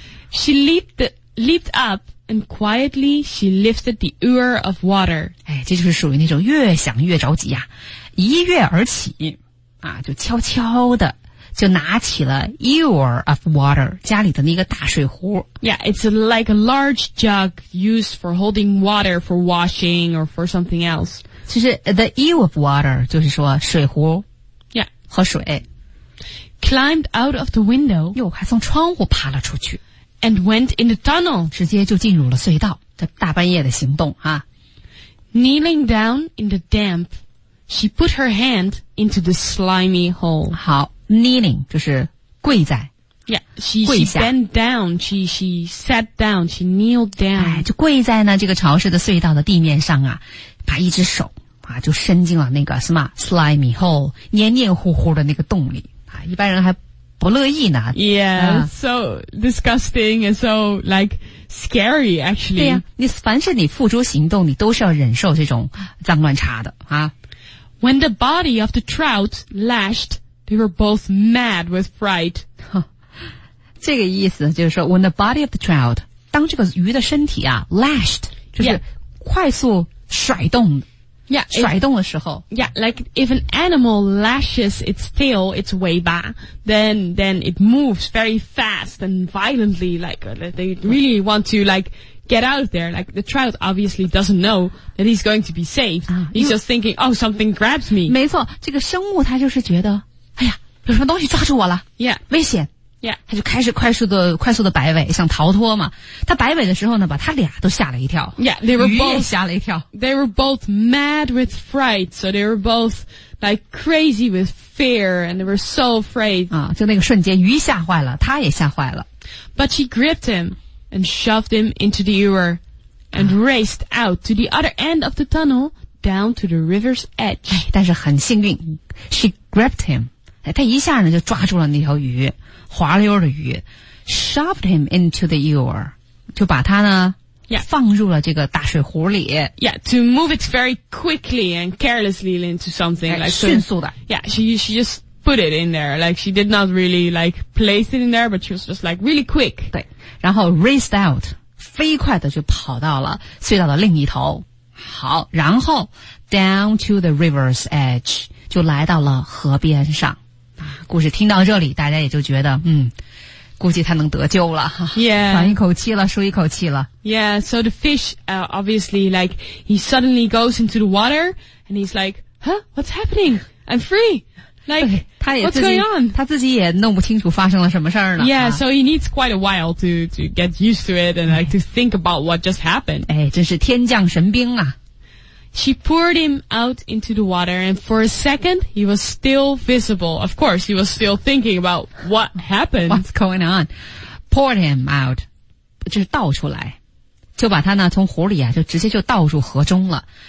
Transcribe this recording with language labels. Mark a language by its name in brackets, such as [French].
[English] She leaped up and quietly she lifted the ear of water. [Chinese] 哎，这就是属于那种越想越着急呀，一跃而起，啊，就悄悄的。就拿起了 [English] ewer of water, [Chinese] 家里的那个大水壶。 [English] Yeah, it's like a large jug used for holding water for washing or for something else. [Chinese] 其实 [English] the ewer of water [Chinese] 就是说水壶。 [English] Yeah. [Chinese] 喝水。 [English] Climbed out of the window. [Chinese] 哟，还从窗户爬了出去。 [English] And went in the tunnel. [Chinese] 直接就进入了隧道。这大半夜的行动啊。 [English] Kneeling down in the damp, she put her hand into the slimy hole. [Chinese] 好。 [English] Kneeling [Chinese] 就是跪在 [English] yeah, she bent down, she sat down, she kneeled down. [Chinese] 哎，就跪在呢这个潮湿的隧道的地面上啊，把一只手啊就伸进了那个什么 [English] slimy hole, [Chinese] 黏黏糊糊的那个洞里啊，一般人还不乐意呢。 [English] Yeah, so disgusting and so like scary actually. [Chinese] 对呀，你凡是你付诸行动，你都是要忍受这种脏乱差的啊。 [English] When the body of the trout lashed,They were both mad with fright. [Chinese] 这个意思就是说 [English] when the body of the trout, [Chinese] 当这个鱼的身体啊 [English] lashed, [Chinese] 就是快速甩动 [English] yeah, [Chinese] 甩动的时候 [English] Yeah, like if an animal lashes its tail, its [Chinese] 尾巴 [English] then it moves very fast and violently, like they really want to like get out of there. Like the trout obviously doesn't know that he's going to be saved.、啊、 he's just thinking, oh, something grabs me. [Chinese] 没错，这个生物它就是觉得哎呀，有什么东西抓住我了 [English] ？Yeah， [Chinese] 危险 [English] ！Yeah， [Chinese] 他就开始快速的摆尾，想逃脱嘛。他摆尾的时候呢，把他俩都吓了一跳。 [English] Yeah， they were both [Chinese] 鱼也吓了一跳。 [English] They were both mad with fright, so they were both like crazy with fear, and they were so afraid. [Chinese] 啊，就那个瞬间，鱼吓坏了，他也吓坏了。 [English] But she gripped him and shoved him into the ewer, and raced out to the other end of the tunnel down to the river's edge. [Chinese] 哎，但是很幸运 ， [English] she gripped him. [Chinese] 他一下呢就抓住了那条鱼，滑溜的鱼 ， [English] shoved him into the ewer， [Chinese] 就把他呢、 [English] yeah. [Chinese] 放入了这个大水壶里。 [English] Yeah, to move it very quickly and carelessly into something like [Chinese] 迅速的。 [English] Yeah, she just put it in there, like she did not really like place it in there, but she was just like really quick. [Chinese] 对，然后 [English] raced out， [Chinese] 飞快的就跑到了隧道的另一头。好，然后 [English] down to the river's edge。 [Chinese] 就来到了河边上，啊，故事听到这里，大家也就觉得，嗯，估计他能得救了， [English] yeah. [Chinese] 喘一口气了，舒一口气了。 [English] Yeah, so the fish, obviously, like, he suddenly goes into the water, and he's like, huh, what's happening? I'm free! Like, what's going on? [Chinese] 他自己也弄不清楚发生了什么事儿呢。 [English] Yeah,、啊、 so he needs quite a while to get used to it, and like, to think about what just happened. [Chinese] 哎，真是天降神兵啊。 [English] She poured him out into the water, and for a second, he was still visible. Of course, he was still thinking about what happened. What's going on? Poured him out. [Chinese] 就是倒出来。就把他呢从湖里啊就直接就倒入河中了。